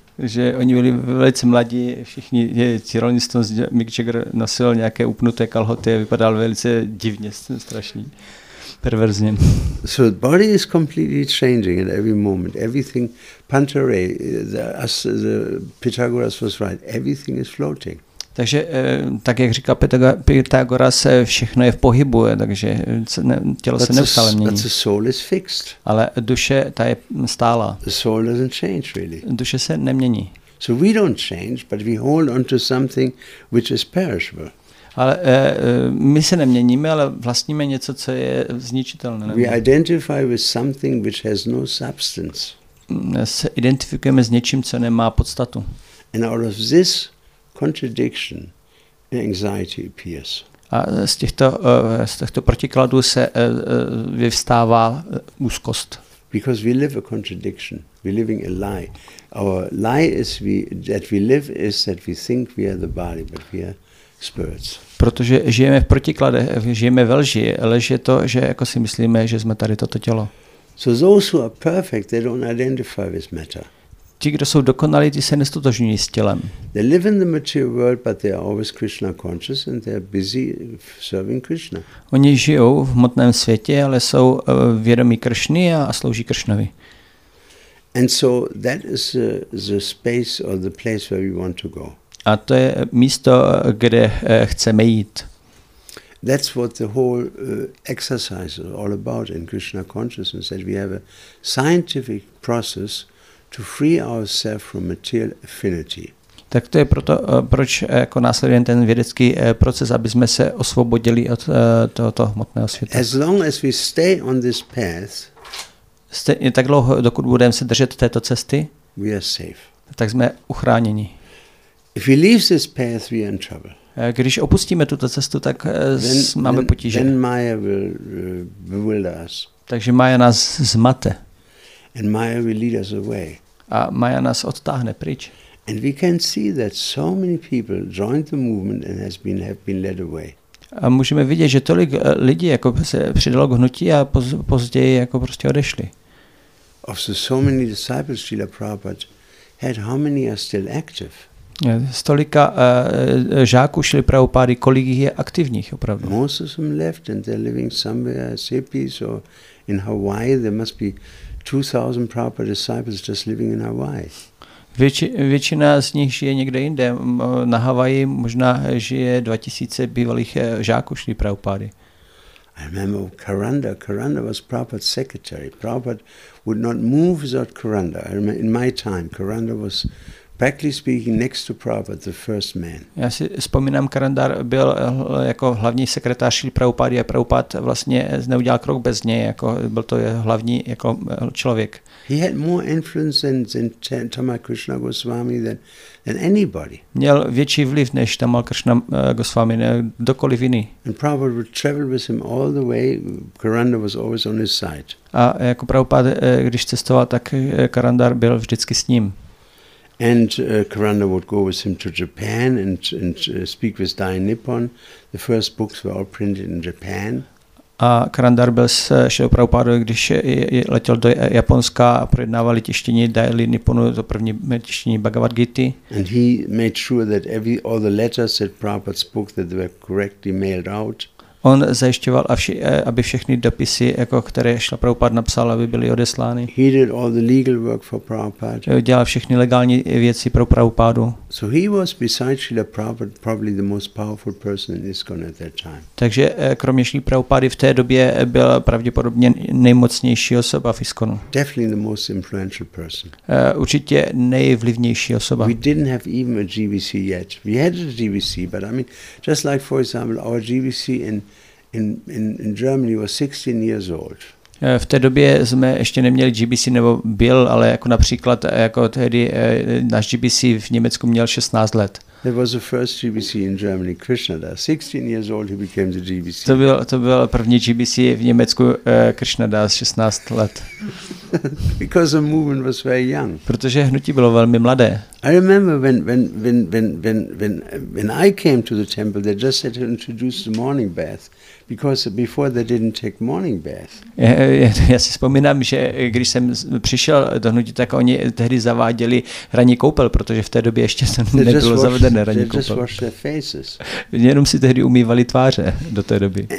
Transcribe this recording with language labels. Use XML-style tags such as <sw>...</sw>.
<cs>Že oni byli velice mladí, všichni ti Rolling Stones, Mick Jagger nosil nějaké upnuté kalhoty a vypadal velice divně, strašný, perverzně.</cs> <en>So the body is completely changing at every moment. Everything, Pantarei, the Pythagoras was right, everything is floating.</en> <cs>Takže, tak jak říkal Pythagoras, všechno je v pohybu, takže tělo se neustále mění.</cs> <en>But the soul is fixed.</en> <cs>Ale duše, ta je stála.</cs> <en>The soul doesn't change, really.</en> <cs>Duše se nemění.</cs> <en>So we don't change, but we hold on to something which is perishable.</en> <cs>Ale my se neměníme, ale vlastníme něco, co je zničitelné.</cs> <en>We identify with something which has no substance.</en> <cs>Se identifikujeme s něčím, co nemá podstatu.</cs> <en>And out of this contradiction anxiety appears.</en> <cs>A z těchto protikladů se vyvstává úzkost.</cs> <en>Because we live a contradiction, we're living a lie. Our lie is that we live is that we think we are the body, but we are spirits.</en> <cs>Protože žijeme v protikladech, žijeme ve lži, lež je to, že jako si myslíme, že jsme tady toto tělo.</cs> <en>So those who are perfect, they don't identify with matter.</en> <cs>Ti, kdo jsou dokonalí, ti se nestotožňují s tělem.</cs> <en>They live in the material world, but they are always Krishna conscious and they are busy serving Krishna.</en> <cs>Oni žijou v hmotném světě, ale jsou vědomí Kršny a slouží Kršnovi.</cs> <en>And so that is the space or the place where we want to go.</en> <cs>A to je místo, kde chceme jít.</cs> <en>That's what the whole exercise is all about in Krishna consciousness, that we have a scientific process to free ourselves from material affinity.</en> <cs>Tak to je proto, proč jako následuje ten vědecký proces, aby jsme se osvobodili od tohoto hmotného světa.</cs> <en>As long as we stay on this path,</en> <cs>tak dlouho, dokud budeme se držet této cesty,</cs> <en>we are safe.</en> <cs>Tak jsme uchráněni.</cs> <en>If we leave this path, we are in trouble.</en> <cs>Když opustíme tuto cestu, tak máme potíže.</cs> <en>Then Maya will bewilder us.</en> <cs>Takže Maya nás zmate.</cs> <en>And Maya will lead us away.</en> <cs>A Maya nás odtáhne pryč.</cs> <en>And we can see that so many people joined the movement and have been led away.</en> <cs>A můžeme vidět, že tolik lidí jako se přidalo k hnutí a později jako prostě odešli.</cs> <en>Of the so many disciples Srila Prabhupada had, how many are still active?</en> <cs>Stolika žáků Srily Prabhupády, kolik jich je aktivních opravdu?</cs> <en>Most of them left and they're living somewhere as hippies or in Hawaii. There must be 2000 proper disciples just living in Hawaii.</en> <cs>Většina z nich žije někde jinde, na Havaji možná žije 2000 bývalých žáků Šrily Prabhupády.</cs> <en>I remember Karanda was Prabhupada's secretary. Prabhupada would not move without Karanda. I remember in my time Karanda was Practically speaking, next to Prabhupada, the first man.</en> <cs>Já si vzpomínám, Karandar byl jako hlavní sekretář Šríla Prabhupády a Prabhupáda vlastně neudělal krok bez něj, jako byl to hlavní jako člověk.</cs> <en>He had more influence than Tamal Krishna Goswami than anybody.</en> <cs>Měl větší vliv než Tamal Krishna Goswami, než kdokoliv jiný.</cs> <en>And Prabhupada would travel with him all the way. Karandar was always on his side.</en> <cs>A jako Prabhupáda, když cestoval, tak Karandar byl vždycky s ním.</cs> <en>And Karanda would go with him to Japan and speak with Dai Nippon. The first books were all printed in Japan.</en> <cs>A Karandar byl s Šrilou Prabhupádou, když letěl do Japonska a projednával tištění Dai Nipponu, to první tištění Bhagavad Gita.</cs> <en>And he made sure that all the letters that Prabhupada spoke that they were correctly mailed out.</en> <cs>On zajišťoval, aby všechny dopisy, jako které Šrila Prabhupáda napsal, aby byly odeslány.</cs> <en>He did all the legal work for Prabhupada.</en> <cs>Dělal všechny legální věci pro Prabhupádu.</cs> <en>So he was besides Srila Prabhupada probably the most powerful person in ISKCON at that time.</en> <cs>Takže kromě Šrily Prabhupády v té době byl pravděpodobně nejmocnější osoba v ISKCONu.</cs> <en>Definitely the most influential person.</en> <cs>Určitě nejvlivnější osoba.</cs> <en>We didn't have even a GVC yet. We had a GVC, but I mean, just like for example, our GVC in Germany was 16 years old.</en> <cs>V té době jsme ještě neměli GBC nebo byl, ale jako například jako tehdy náš GBC v Německu měl 16 let.</cs> <en>There was the first GBC in Germany, Krishnadas. 16 years old he became the GBC.</en> <cs>To byl první GBC v Německu Krishnadas 16 let.</cs> <en>Because the movement was very young.</en> <cs>Protože hnutí bylo velmi mladé.</cs> <en>I remember when I came to the temple, they just had to introduce the morning bath. Because before they didn't take morning bath.</en> <cs>Já si vzpomínám, že když jsem přišel do hnutí, tak oni tehdy zaváděli ranní koupel, protože v té době ještě nebylo zavedené ranní koupel. Jenom si tehdy umývali tváře do té doby.</cs>